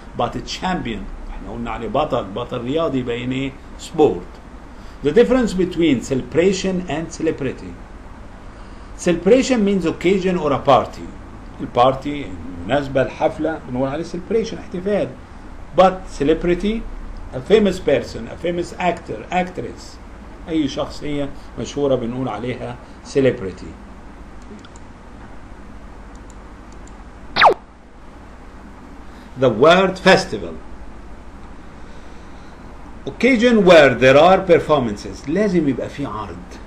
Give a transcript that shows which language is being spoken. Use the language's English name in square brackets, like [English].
[English] But a champion, [Arabic] قلنا عليه بطل، بطل رياضي بين سبورت. [English] The difference between celebration and celebrity. Celebration means occasion or a party. [Arabic] البارتي المناسبة الحفلة بنقول عليه celebration احتفال. [English] But celebrity, a famous person, a famous actor, actress. [Arabic] أي شخصية مشهورة بنقول عليها celebrity. [English] The word festival. Occasion where there are performances. [Arabic] لازم يبقى في عرض.